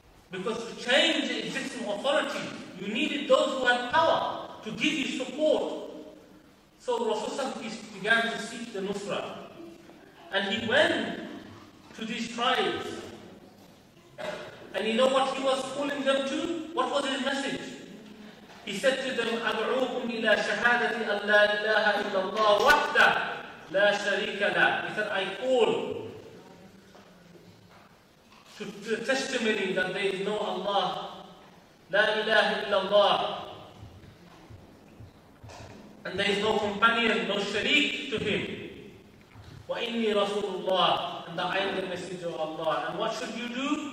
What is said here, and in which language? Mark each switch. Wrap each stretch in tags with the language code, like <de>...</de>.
<en>Because to change the existing authority, you needed those who had power to give you support. So Rasulullah began to seek the Nusra. And he went to these tribes. And you know what he was calling them to? What was his message? He said to them,</en> <ar>أدعوكم إلى شهادة أن لا إله إلا الله وحده لا شريك له.</ar> <en>He said, I call to the testimony that there is no Allah,</en> <ar>لا إله إلا الله,</ar> <en>and there is no companion, no shariq to him.</en> <ar>وإني رسول الله,</ar> <en>and that I am the messenger of Allah. And what should you do?</en>